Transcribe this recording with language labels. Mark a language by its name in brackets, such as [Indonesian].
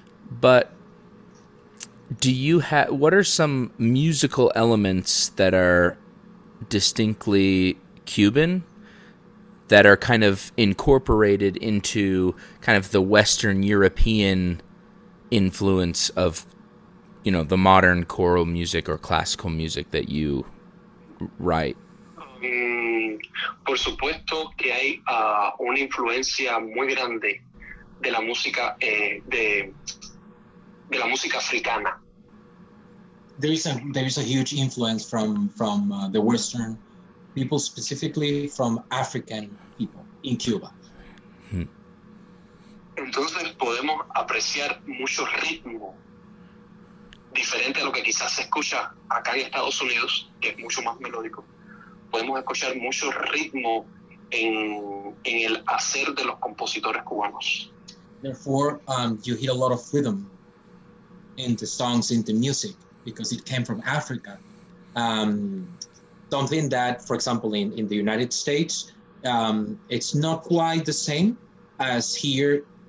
[English] But what are some musical elements that are distinctly Cuban that are kind of incorporated into kind of the Western European influence of, you know, the modern choral music or classical music that you write? [Spanish] Por supuesto que hay una influencia muy grande de la música de la música africana. [English] There is a huge influence from the Western people, specifically from African people in Cuba. [Spanish] Entonces podemos apreciar mucho ritmo diferente a lo que quizás se escucha acá en Estados Unidos, que es mucho más melódico. Podemos escuchar mucho ritmo en el hacer de los compositores cubanos. [English] Therefore, you hear a lot of rhythm in the songs, in the music, because it came from Africa. Something that, for example, in the United States, it's not quite the same as here.